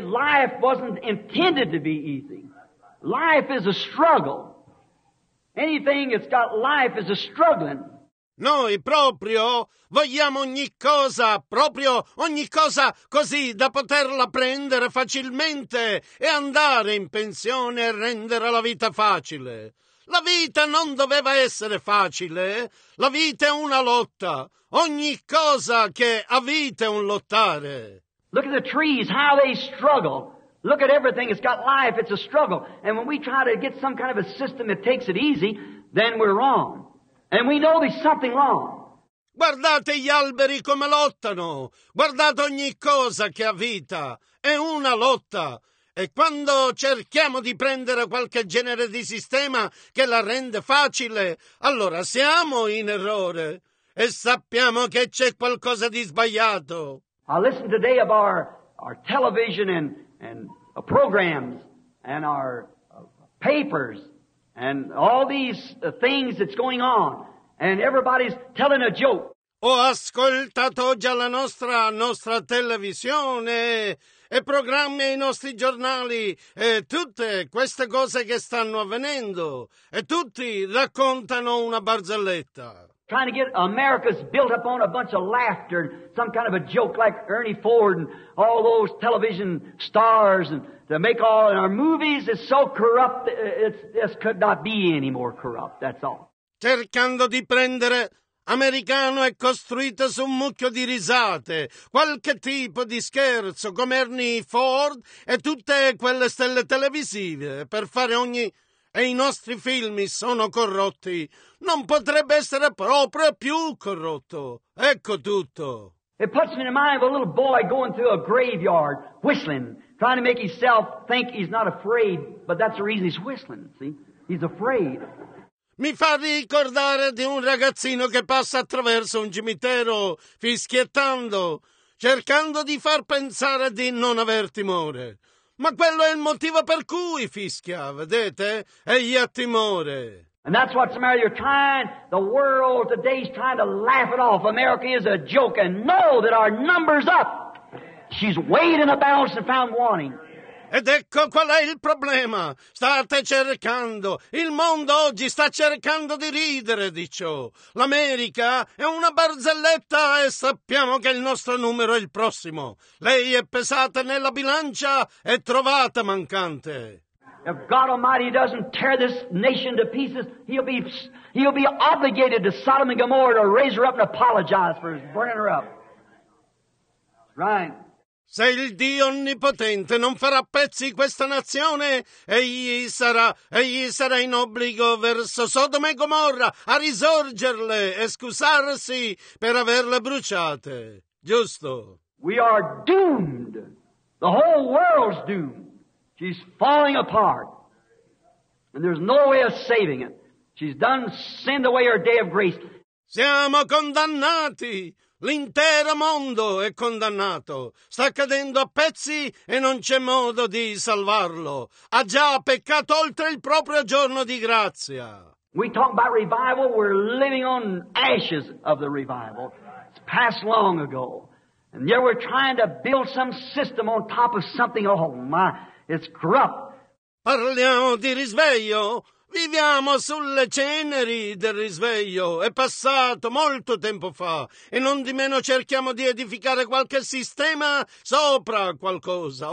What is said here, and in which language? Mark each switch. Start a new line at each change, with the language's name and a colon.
English: Life wasn't intended to be easy. Life is a struggle. Anything that's got life is a struggling.
Italian: Noi proprio vogliamo ogni cosa, proprio ogni cosa così da poterla prendere facilmente e andare in pensione e rendere la vita facile. La vita non doveva essere facile. La vita è una lotta. Ogni cosa che ha vita è un lottare.
English: Look at the trees, how they struggle. Look at everything. It's got life. It's a struggle. And when we try to get some kind of a system that takes it easy, then we're wrong. And we know there's something wrong.
Italian: Guardate gli alberi come lottano. Guardate ogni cosa che ha vita. È una lotta. E quando cerchiamo di prendere qualche genere di sistema che la rende facile, allora siamo in errore e sappiamo che c'è qualcosa di sbagliato.
English: I listened today of our television and programs and our papers and all these things that's going on and everybody's telling a joke.
Italian: Ho ascoltato oggi la nostra televisione e programmi ai nostri giornali e tutte queste cose che stanno avvenendo e tutti raccontano una barzelletta.
English: Trying to get America's built up on a bunch of laughter, some kind of a joke like Ernie Ford and all those television stars and to make all in our movies is so corrupt it could not be any more corrupt, that's all.
Italian: Cercando di prendere americano è costruito su un mucchio di risate, qualche tipo di scherzo come Ernie Ford e tutte quelle stelle televisive per fare ogni... E i nostri film sono corrotti. Non potrebbe essere proprio più corrotto. Ecco tutto.
English: It puts me in mind of a little boy going through a graveyard whistling, trying to make himself think he's not afraid, but that's the reason he's whistling, see? He's afraid.
Italian: Mi fa ricordare di un ragazzino che passa attraverso un cimitero fischiettando, cercando di far pensare di non aver timore. Ma quello è il motivo per cui fischia, vedete? Egli ha timore.
English: And that's what's the matter. You're trying, the world today's trying to laugh it off. America is a joke and know that our number's up. She's weighed in the balance and found wanting.
Italian: Ed ecco qual è il problema. State cercando. Il mondo oggi sta cercando di ridere di ciò. L'America è una barzelletta e sappiamo che il nostro numero è il prossimo. Lei è pesata nella bilancia e trovata mancante.
English: If God Almighty doesn't tear this nation to pieces, he'll be obligated to Sodom and Gomorrah to raise her up and apologize for burning her up. Right.
Italian: Se il Dio Onnipotente non farà pezzi questa nazione, egli sarà in obbligo verso Sodoma e Gomorra a risorgerle e scusarsi per averle bruciate. Giusto?
English: We are doomed. The whole world's doomed. She's falling apart. And there's no way of saving it. She's done send away her day of grace.
Italian: Siamo condannati. L'intero mondo è condannato. Sta cadendo a pezzi e non c'è modo di salvarlo. Ha già peccato oltre il proprio giorno di grazia.
English: We talk about revival, we're living on ashes of the revival. It's passed long ago. And yet we're trying to build some system on top of something. Oh my, it's corrupt.
Italian: Parliamo di risveglio. Viviamo sulle ceneri del risveglio, è passato molto tempo fa e non di meno cerchiamo di edificare qualche sistema sopra qualcosa.